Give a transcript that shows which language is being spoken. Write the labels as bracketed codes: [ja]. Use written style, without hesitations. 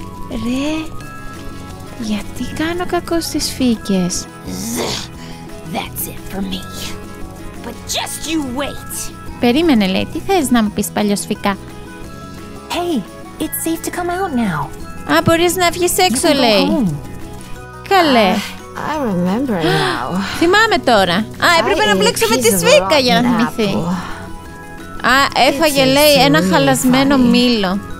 [el] Ρε, γιατί κάνω κακό στις σφίκες? [en] That's it for me. But just you wait. [el] Περίμενε, λέει. Τι θες να μου πεις, παλιοσφίκα? [en] Hey, it's safe to come out now. [el] Α, μπορείς να βγεις έξω, λέει. Καλέ. [en] I remember now. [el] Θυμάμαι τώρα. Α, έπρεπε να πλέξω με τη σφίκα για να θυμηθεί. Α, έφαγε, λέει, ένα χαλασμένο μήλο.